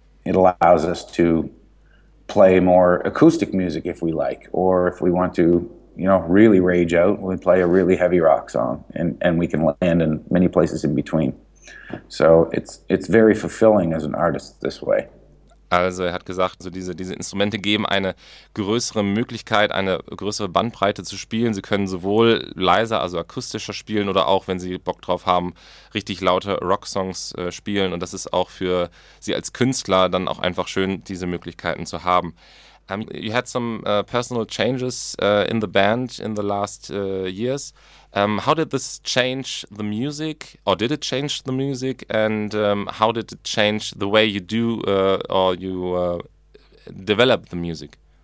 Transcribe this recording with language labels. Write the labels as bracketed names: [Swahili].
[English] It allows us to play more acoustic music if we like, or if we want to, you know, really rage out when we play a really heavy rock song, and we can land in many places in between. So it's very fulfilling as an artist this way. [German] Also er hat gesagt, so diese Instrumente geben eine größere Möglichkeit, eine größere Bandbreite zu spielen. Sie können sowohl leiser, also akustischer spielen oder auch, wenn sie Bock drauf haben, richtig laute Rocksongs spielen. Und das ist auch für sie als Künstler dann auch einfach schön, diese Möglichkeiten zu haben. [English] You had some personal changes in the band in the last years. How did this change the music, or did it change the music, and how did it change the way you do or you develop the music?